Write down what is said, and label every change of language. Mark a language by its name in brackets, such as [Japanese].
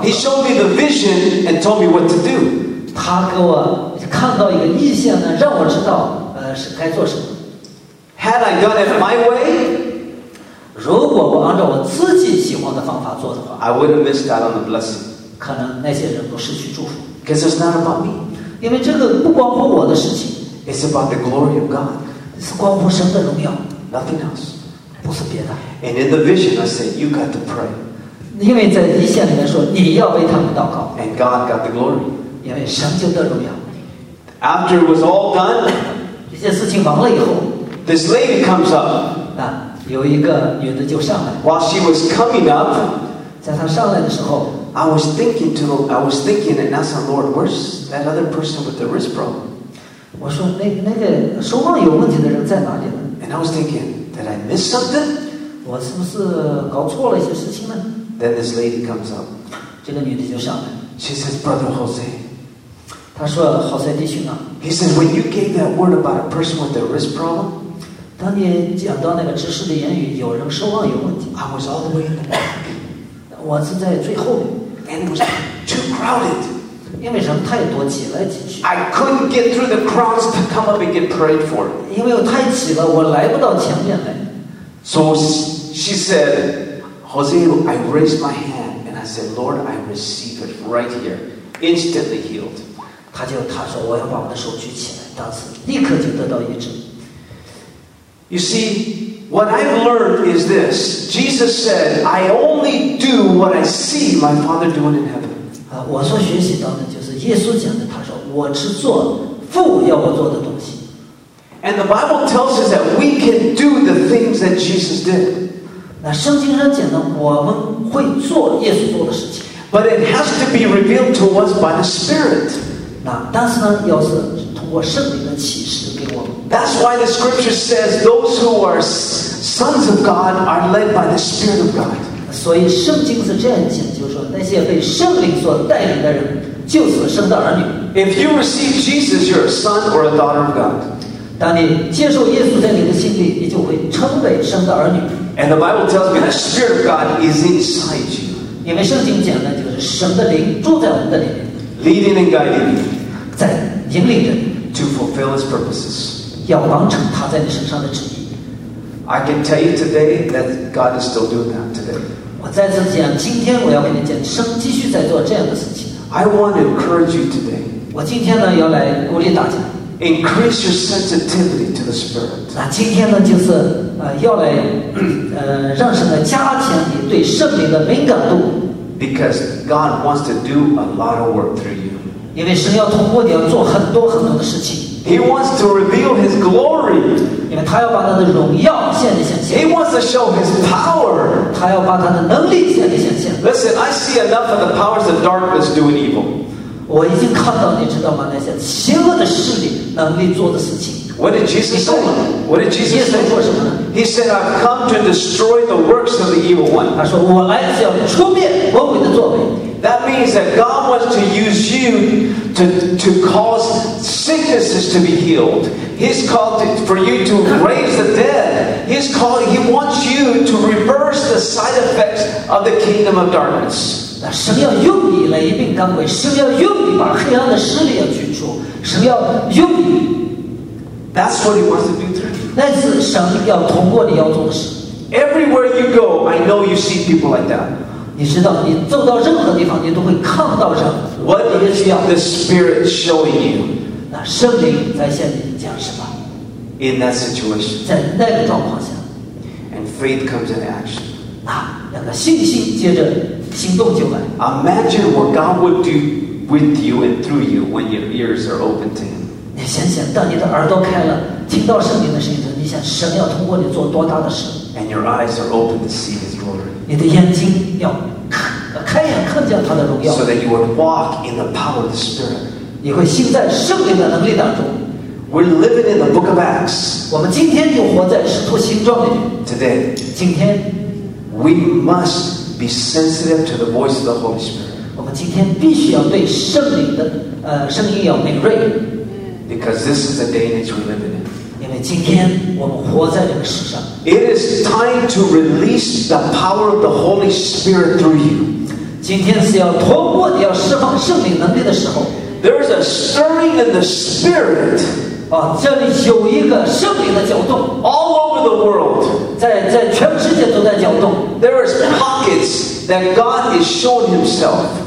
[English] He showed me the vision and told me what to do. [Chinese] 他给我看到一个意象呢，让我知道是该做什么。 [English] Had I done it my way, [Chinese] 如果我按照我自己喜欢的方法做的话 [English] ，I would have missed out on the blessing. [Chinese] 可能那些人都失去祝福。 [English] Because it's not about me. [Chinese] 因为这个不关乎我的事情。 [English] It's about the glory of God. [Chinese] 是关乎神的荣耀。 [English] Nothing else. [Chinese] 不是别的。 [English] And in the vision, I said, "You got to pray." [Chinese] 因为在异象里面说你要为他们祷告。 [English] And God got the glory. [Chinese] 因为神就得荣耀。 [English] After it was all done, [Chinese] 这件事情完了以后 [English] ，this lady comes up. [Chinese] 啊，有一个女的就上来。 [English] While she was coming up, [Chinese] 在她上来的时候 [English] ，I was thinking, and asked the Lord, "Where's that other person with the wrist problem?" [Chinese] 我说那个手腕有问题的人在哪里呢 [English] ？And I was thinking. Did I miss something? [Chinese] 我是不是搞错了一些事情呢 [English] ？Then this lady comes up. [Chinese] 这个女的就上来。 [English] She says, "Brother Jose." [Chinese] 她说，好塞弟兄啊。 [English] He says, "When you gave that word about a person with a wrist problem." [Chinese] 当你讲到那个知识的言语，有人手腕有问题。 [English] I was all the way in the back. [Chinese] 我是在最后面。 [English] And it was too crowded. [Chinese] 因为人太多，挤来挤去。 [English] I couldn't get through the crowds to come up and get prayed for. [Chinese] 因为我太挤了，我来不到前面来。 [English] So she said, "Jose, I raised my hand and I said, 'Lord, I receive it right here.'" Instantly healed. [Chinese] 他说我要把我的手举起来，当时立刻就得到医治。 [English] You see, what I've learned is this: Jesus said, "I only do what I see my Father doing in heaven." [Chinese] 我所学习到的就是耶稣讲的，他说我只做父要我做的东西。 [English] And the Bible tells us that we can do the things that Jesus did. [Chinese] 那圣经上讲的，我们会做耶稣做的事情。 [English] But it has to be revealed to us by the Spirit. [Chinese] 那但是呢，要是通过圣灵的启示给我们。 [English] That's why the Scripture says those who are sons of God are led by the Spirit of God. [Chinese] 所以圣经是这样讲，就是说那些被圣灵所带领的人，就是神的儿女。 [English] If you receive Jesus, you're a son or a daughter of God. [Chinese] 当你接受耶稣在你的心里，你就会称为神的儿女。 [English] And the Bible tells me the Spirit of God is inside you. [Chinese] 因为圣经讲的就是神的灵住在我们的里面。 [English] Leading and guiding you. [Chinese] 在引领着。 [English] To fulfill His purposes. [Chinese] 要完成他在你身上的旨意。 [English] I can tell you today that God is still doing that today. [Chinese] 我再次讲，今天我要跟你讲，神继续在做这样的事情。 [English] I want to encourage you today. [Chinese] 我今天呢，要来鼓励大家。 [English] Increase your sensitivity to the Spirit. [Chinese] 那今天呢，就是要来让神来加强你对圣灵的敏感度。 [English] Because God wants to do a lot of work through you. [Chinese] 因为神要通过你要做很多很多的事情。 [English] He wants to reveal His glory. [Chinese] 因为他要把他的荣耀向你显现。 [English] He wants to show His power. [Chinese] 他要把他的能力向你显现。 [English] Listen, I see enough of the powers of darkness doing evil. [Chinese] 我已经看到，你知道吗？那些邪恶的势力能力做的事情。 [English] What did Jesus say? What did Jesus say? [Chinese] 耶稣说什么呢 [English] ？He said, "I've come to destroy the works of the evil one." [Chinese] 他说，我来是要除灭魔鬼的作为。 [English] That means that God wants to use you to cause sicknesses to be healed. He's called for you to raise the dead. He wants you to reverse the side effects of the kingdom of darkness. [Chinese] 神要用你来一并干鬼，神要用你把黑暗的势力要驱逐，神要用你。 [English] That's what He wants to do through you. [Chinese] 那是神要通过你要做的事。 [English] Everywhere you go, I know you see people like that. [Chinese] 你知道，你走到任何地方，你都会看到人。 [English] What is the Spirit showing you? [Chinese] 那圣灵在向你讲什么 [English] ？In that situation. [Chinese] 在那个状况下。 [English] And faith comes into action. [Chinese] 那那个信心接着行动就来。 [English] Imagine what God would do with you and through you when your ears are open to Him. [Chinese] 你想想，当你的耳朵开了，听到圣灵的声音的时候，你想神要通过你做多大的事 [English] ？And your eyes are open to see His glory. [Chinese] 你的眼睛要开眼看见他的荣耀。 [English] So that you would walk in the power of the Spirit. [Chinese] 你会行在圣灵的能力当中。 [English] We're living in the Book of Acts. [Chinese] 我们今天就活在使徒行传里面。 [English] Today, [Chinese] 今天 [English] we must be sensitive to the voice of the Holy Spirit. [Chinese] 我们今天必须要对圣灵的声音要敏锐。 [English] Because this is the day in which we're living in. [Chinese] 因为今天我们活在这个世上。 [English] It is time to release the power of the Holy Spirit through you. [Chinese] 今天是要通过你要释放圣灵能力的时候。 [English] There's a stirring in the Spirit. [Chinese] 啊，这里有一个圣灵的搅动。 [English] All over the world. [Chinese] 在全世界都在搅动。 [English] There are pockets that God is showing Himself.